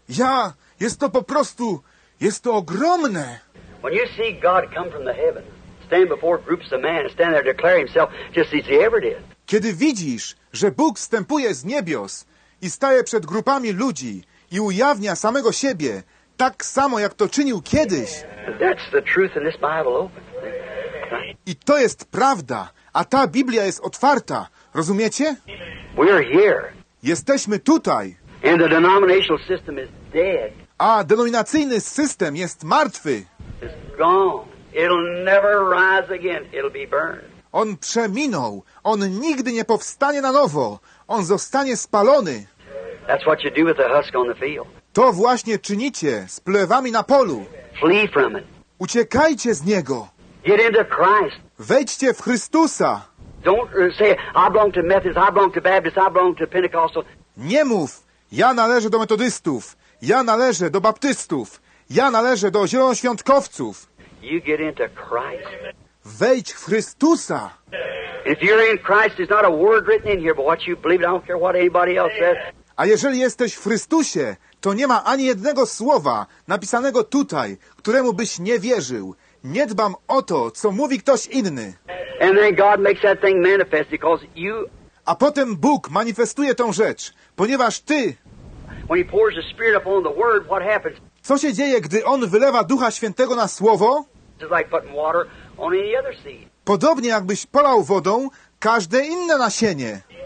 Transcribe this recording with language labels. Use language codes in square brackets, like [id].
[pl] Ja, jest to po prostu, jest to ogromne. [en] When you see God come from the heaven, stand before groups of men, stand there declare himself just as he ever did. [pl] Kiedy widzisz, że Bóg wstępuje z niebios i staje przed grupami ludzi i ujawnia samego siebie, tak samo jak to czynił kiedyś. [en] That's the truth in this Bible open. [pl] I to jest prawda, a ta Biblia jest otwarta, rozumiecie? [en] We're here. [pl] Jesteśmy tutaj. [en] And the denominational system is dead. [pl] A denominacyjny system jest martwy. [en] It's gone. It'll never rise again. It'll be burned. [pl] On przeminął. On nigdy nie powstanie na nowo. On zostanie spalony. [en] That's what you do with the husk on the field. [pl] To właśnie czynicie z plewami na polu. [en] Flee from it. [pl] Uciekajcie z niego. [en] Get into Christ. [pl] Wejdźcie w Chrystusa. [en] Don't say, I belong to Methodist, I belong to Baptist, I belong to Pentecostal. [pl] Nie mów, ja należę do metodystów, ja należę do baptystów, ja należę do zielonoświątkowców. [en] You get into Christ. [pl] Wejdź w Chrystusa. [en] If you're in Christ, there's not a word written in here, but what you believe, I don't care what anybody else says. [pl] A jeżeli jesteś w Chrystusie, to nie ma ani jednego słowa napisanego tutaj, któremu byś nie wierzył. Nie dbam o to, co mówi ktoś inny. [en] And then God makes that thing manifest because you... [pl] A potem Bóg manifestuje tą rzecz, ponieważ ty... [en] When he pours the Spirit upon the word, what happens? [pl] Co się dzieje, gdy On wylewa Ducha Świętego na Słowo? [en] It's like putting water on any other seed. [pl] Podobnie jakbyś polał wodą każde inne nasienie.